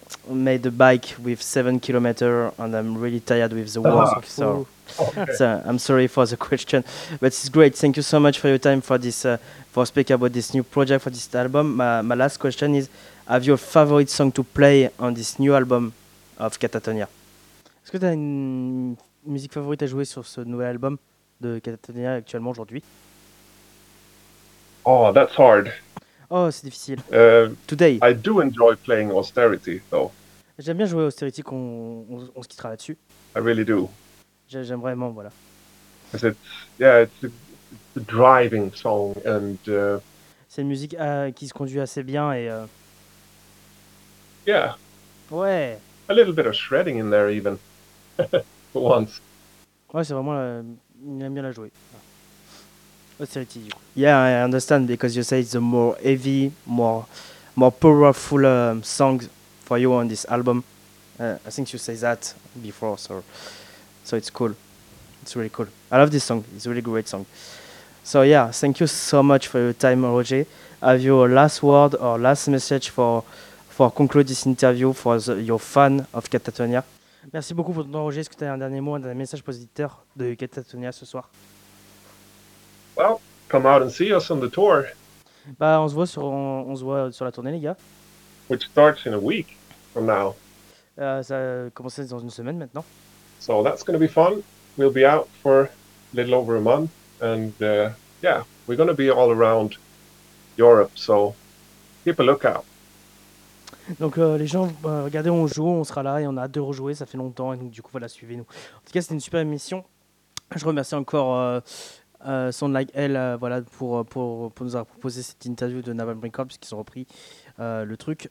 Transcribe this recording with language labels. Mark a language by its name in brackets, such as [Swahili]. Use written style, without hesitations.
[English] made a bike with 7 kilometers, and I'm really tired with the walk. So, I'm sorry for the question, but it's great. Thank you so much for your time for this, for speaking about this new project, for this album. My last question is, have you a favorite song to play on this new album of Catatonia? [French] Est-ce que tu as une musique favorite à jouer sur ce nouvel album de Catatonia actuellement aujourd'hui? [English] Oh, that's hard. [French] Oh, c'est difficile. [English] Today. I do enjoy playing Austerity, though. [French] J'aime bien jouer Austerity quand on se quittera là-dessus. [English] I really do. [French] J'aime vraiment, voilà. [English] Because it's a driving song and. [French] C'est une musique qui se conduit assez bien et. [English] Yeah. [French] Ouais. [English] A little bit of shredding in there even, for once. [French] Ouais, c'est vraiment. Il aime bien la jouer. [English] Yeah, I understand, because you say it's a more heavy, more powerful song for you on this album. I think you say that before, so it's cool. It's really cool. I love this song. It's a really great song. So yeah, thank you so much for your time, Roger. Have you a last word or last message for conclude this interview for your fan of Catatonia? [French] Merci beaucoup pour ton temps, Roger. Est-ce que tu as un dernier mot, un dernier message pour les auditeurs de Catatonia ce soir? [English] Well, come out and see us on the tour. [French] Bah, on se voit sur la tournée, les gars. [English] Which starts in a week from now. [French] Ça a commencé dans une semaine maintenant. [English] So that's going to be fun. We'll be out for a little over a month. And yeah, we're going to be all around Europe. So keep a lookout. [French] Donc les gens, regardez, on joue, on sera là et on a hâte de rejouer. Ça fait longtemps et donc du coup, voilà, suivez-nous. En tout cas, c'était une super émission. Je remercie encore... Sound Like Hell, voilà, pour nous avoir proposé cette interview de Naval Brinkhorn, puisqu'ils ont repris le truc.